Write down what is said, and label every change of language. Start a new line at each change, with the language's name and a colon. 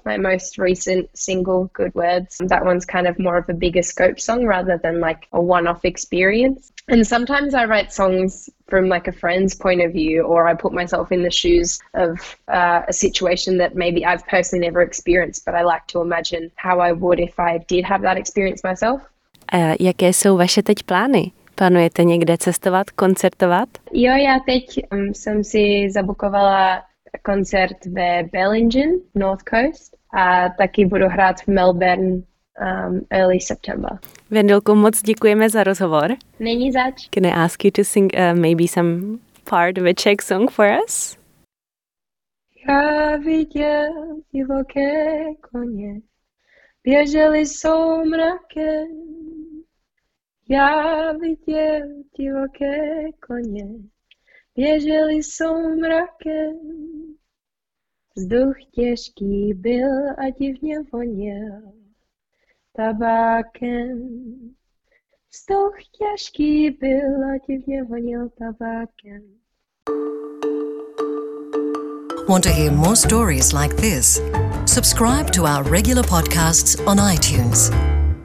English: My most recent single, Good Words, that one's kind of more of a bigger scope song rather than like a one-off experience. And sometimes I write songs from like a friend's point of view, or I put myself in the shoes of a situation that maybe I've personally never experienced, but I like to imagine how I would if I did have that experience myself.
Czech: Jaké jsou vaše teď plány? Plánujete někde cestovat, koncertovat? Jo, já teď jsem si zabukovala koncert ve Bellingen, North Coast, a taky budu hrát v Melbourne
English: early September.
Czech: Vendulko, moc děkujeme za rozhovor. Není zač.
English: Can I ask you to sing maybe some part of a Czech song for us?
Czech: Já viděl divoké koně, běželi jsou mrakem. Já viděl divoké koně, běželi jsou mrakem. Vzduch těžký byl a divně voněl tabákem. Vzduch těžký byl a divně voněl tabákem.
English: Want to hear more stories like this? Subscribe to our regular podcasts on iTunes.